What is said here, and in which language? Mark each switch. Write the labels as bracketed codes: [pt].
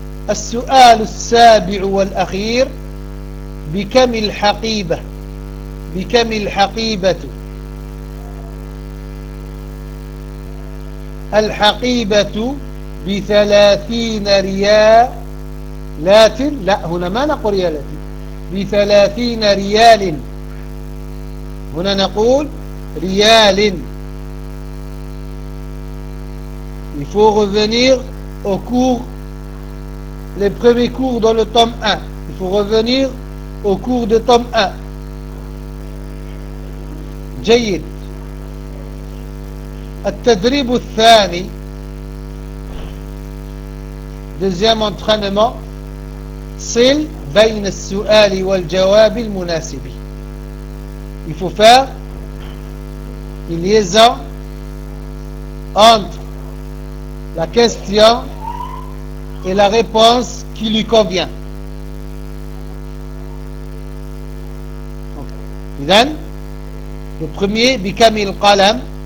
[ar] السؤال السابع والأخير بكم الحقيبة؟ بكم الحقيبة؟ الحقيبة بثلاثين ريالات. لا، هنا ما نقول ريالات، بثلاثين ريال، هنا نقول ريال. [fr] Il faut revenir au cours, les premiers cours dans le tome 1. Il faut revenir au cours de tome 1. [ar] جيد. التدريب الثاني. [fr] Deuxième entraînement. [ar] صل بين السؤال والجواب المناسب. [fr] Il faut faire une liaison entre la question et la réponse qui lui convient. Donc, le premier, [ar] بكم القلم.